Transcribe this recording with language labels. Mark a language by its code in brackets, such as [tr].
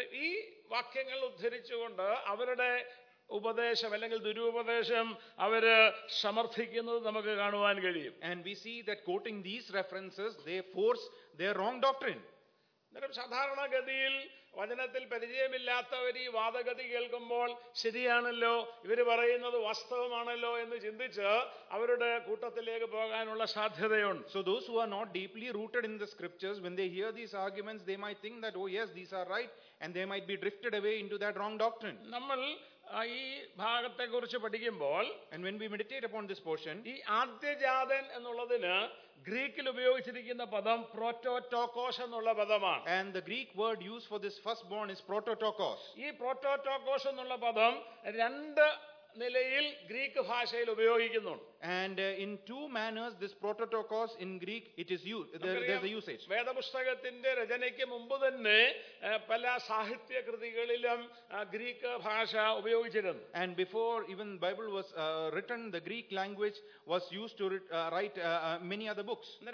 [ml] ഈ വാക്യങ്ങൾ ഉദ്ധരിച്ചുകൊണ്ട് അവരുടെ ഉപദേശം അല്ലെങ്കിൽ ദുരുപദേശം അവര് സമർത്ഥിക്കുന്നത് നമുക്ക് കാണുവാൻ കഴിയും. [en] And we see that quoting these references, they force their wrong doctrine. [ml] സാധാരണഗതിയിൽ വചനത്തിൽ പരിചയമില്ലാത്തവർ ഈ വാദഗതി കേൾക്കുമ്പോൾ ശരിയാണല്ലോ, ഇവര് പറയുന്നത് വാസ്തവമാണല്ലോ എന്ന് ചിന്തിച്ച് അവരുടെ കൂട്ടത്തിലേക്ക് പോകാനുള്ള സാധ്യതയുണ്ട്. [en] So those who are not deeply rooted in the scriptures, when they hear these arguments, they might think that, oh yes, these are right, and they might be drifted away into that wrong doctrine. [ml] നമ്മൾ ഈ ഭാഗത്തെ കുറിച്ച് പഠിക്കുമ്പോൾ, [en] and when we meditate upon this portion, [ml] ഈ ആദ്യജാതൻ എന്നുള്ളതിന് ഗ്രീക്കിൽ ഉപയോഗിച്ചിരിക്കുന്ന പദം പ്രോട്ടോടോക്കോസ് എന്നുള്ള പദമാണ്. [en] And the Greek word used for this firstborn is prototokos. [ml] ഈ പ്രോട്ടോടോക്കോസ് എന്നുള്ള പദം രണ്ട് നിലയിൽ ഗ്രീക്ക് ഭാഷയിൽ ഉപയോഗിക്കുന്നുണ്ട്. [en] And in two manners this prototokos in Greek it is used, there's a usage. [ml] വേദപുസ്തകത്തിന്റെ രചനയ്ക്ക് മുമ്പ് തന്നെ പല സാഹിത്യ കൃതികളിലും ഗ്രീക്ക് ഭാഷ ഉപയോഗിച്ചിരുന്നു. [en] And before even Bible was written, the Greek language was used to write many other books.